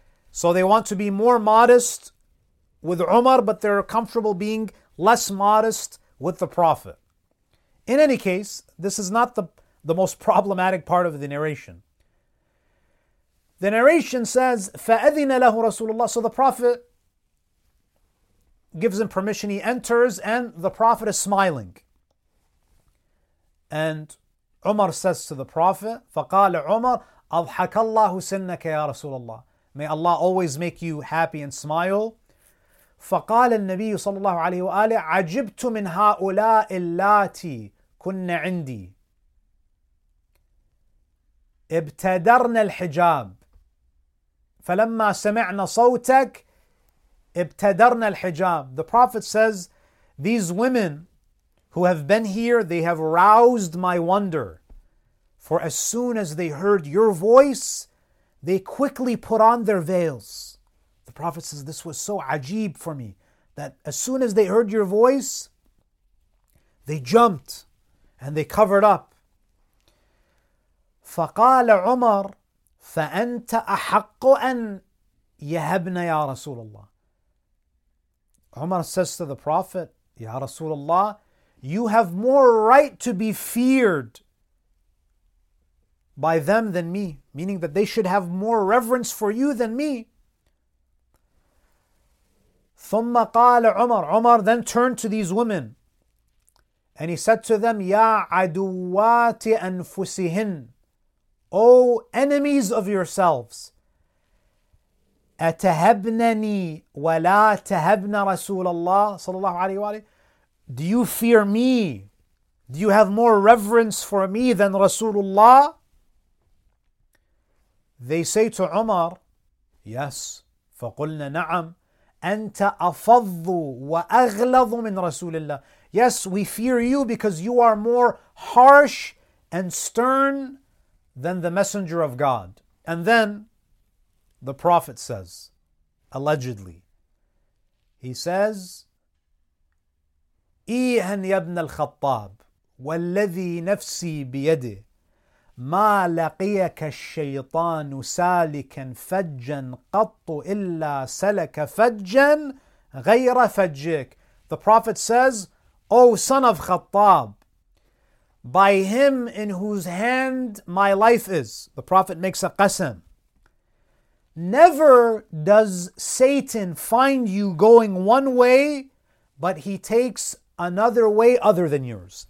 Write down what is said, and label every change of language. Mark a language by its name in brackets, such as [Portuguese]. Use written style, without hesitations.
[English] So they want to be more modest with Umar, but they're comfortable being less modest with the Prophet. In any case, this is not the most problematic part of the narration. The narration says, [Arabic] فَأَذِنَ لَهُ رَسُولُ اللَّهِ. [English] So the Prophet gives him permission, he enters, and the Prophet is smiling. And Umar says to the Prophet, [Arabic] فَقَالَ عُمَرُ أَضْحَكَ اللَّهُ سِنَّكَ يَا رَسُولَ اللَّهِ. [English] May Allah always make you happy and smile. [Arabic] فقال النبي صلى الله عليه وآله عجبت من هؤلاء اللاتي كن عندي ابتدرن الحجاب فلما سمعنا صوتك ابتدرن الحجاب. [English] The Prophet says, these women who have been here, they have roused my wonder. For as soon as they heard your voice, they quickly put on their veils. The Prophet says, this was so ajib for me, that as soon as they heard your voice, they jumped and they covered up. [Arabic] فَقَالَ عُمَرْ فَأَنْتَ أَحَقُّ أَنْ يَهَبْنَا يَا رَسُولَ اللَّهِ. [English] Umar says to the Prophet, Ya Rasulullah, you have more right to be feared by them than me, meaning that they should have more reverence for you than me. [Arabic] ثم قال عمر. [English] Umar then turned to these women and he said to them, [Arabic] يا عدوات أنفسهن. [English] O enemies of yourselves, [Arabic] أتهبنني ولا تهبن رسول الله صلى الله عليه وآله. [English] Do you fear me? Do you have more reverence for me than Rasulullah? They say to Umar, yes. [Arabic] فقلنا نعم. أنت أفض وأغلظ من رسول الله. [English] Yes, we fear you because you are more harsh and stern than the Messenger of God. And then the Prophet says, allegedly, he says, [Arabic] إيهن يا ابن الخطاب والذي نفسي بيده ما لقيك الشيطان سالكا فجا قط إلا سلك فجا غير فجك. [English] The Prophet says, O son of Khattab, by him in whose hand my life is, the Prophet makes a qasam, never does Satan find you going one way, but he takes another way other than yours.